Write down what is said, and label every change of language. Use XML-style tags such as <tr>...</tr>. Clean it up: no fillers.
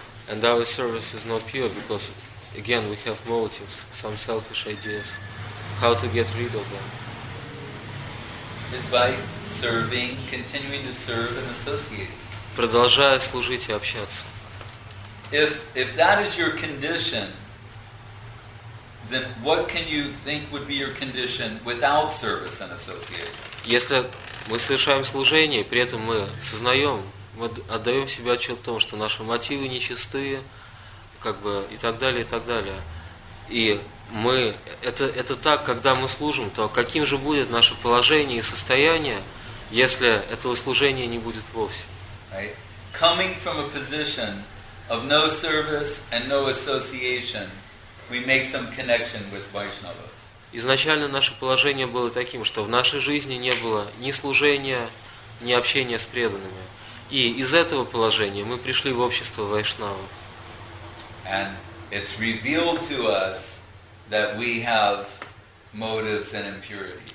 <en>And our service is not pure because, again, we have motives, some selfish ideas, how to get rid of them. It's by serving, continuing to serve and associate.</en> <ru>Продолжая служить и общаться.</ru> <en>If that is your condition, then what can you think would be your condition without service and association?</en> <ru>Если мы совершаем служение, при этом мы сознаем, мы отдаем себе отчет в том, что наши мотивы нечистые, как бы и так далее, и так далее. И мы это так, когда мы служим, то каким же будет наше положение и состояние, если этого служения не будет вовсе?</ru> <en>Right. Coming from a position of no service and no association, we make some connection with Vaishnavas.</en> <ru>Изначально наше положение было таким, что в нашей жизни не было ни служения, ни общения с преданными. И из этого положения мы пришли в общество Вайшнавов.</ru> <en>And it's revealed to us that we have motives and impurities.</en>